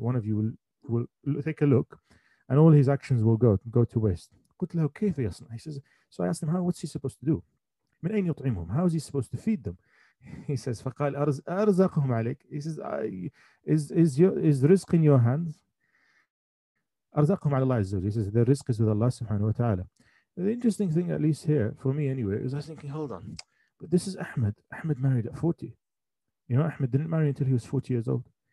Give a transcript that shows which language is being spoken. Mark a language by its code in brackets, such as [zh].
[en] One of you will take a look and all his actions will go to waste. [ar] قلت له كيف يصنع. [en] He says, so I asked him, what's he supposed to do? [ar] من أين يطعمهم? [en] How is he supposed to feed them? He says, [ar] فقال أرزقهم عليك. [en] He says, is rizq in your hands? [ar] أرزقهم على الله عز وجل. [en] He says, the rizq is with Allah subhanahu wa ta'ala. The interesting thing, at least here, for me anyway, is I was thinking, hold on, but this is Ahmed. Ahmed married at 40. You know, Ahmed didn't marry until he was 40 years old.